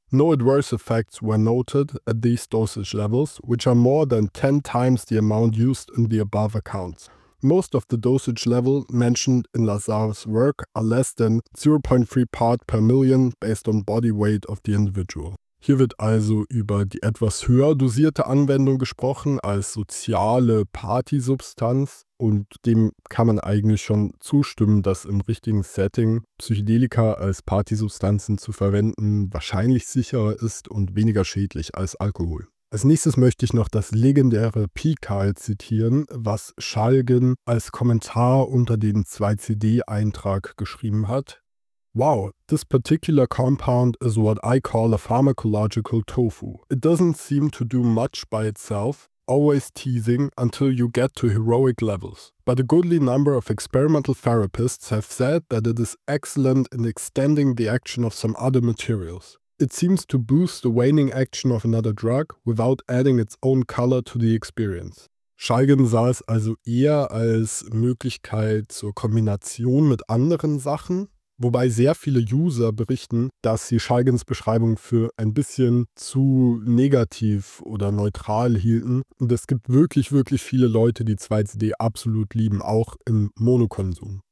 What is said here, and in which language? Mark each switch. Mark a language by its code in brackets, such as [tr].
[en] No adverse effects were noted at these dosage levels, which are more than 10 times the amount used in the above accounts. Most of the dosage levels mentioned in Lazar's work are less than 0.3 part per million based on body weight of the individual. [de] Hier wird also über die etwas höher dosierte Anwendung gesprochen als soziale Partysubstanz. Und dem kann man eigentlich schon zustimmen, dass im richtigen Setting Psychedelika als Partysubstanzen zu verwenden wahrscheinlich sicherer ist und weniger schädlich als Alkohol. Als nächstes möchte ich noch das legendäre Pikal zitieren, was Schalgen als Kommentar unter den 2CD-Eintrag geschrieben hat. [en] Wow, this particular compound is what I call a pharmacological tofu. It doesn't seem to do much by itself, always teasing until you get to heroic levels. But a goodly number of experimental therapists have said that it is excellent in extending the action of some other materials. It seems to boost the waning action of another drug without adding its own color to the experience. [de] Schalgen sah es also eher als Möglichkeit zur Kombination mit anderen Sachen. Wobei sehr viele User berichten, dass sie Schalgens Beschreibung für ein bisschen zu negativ oder neutral hielten. Und es gibt wirklich, wirklich viele Leute, die 2CD absolut lieben, auch im Monokonsum.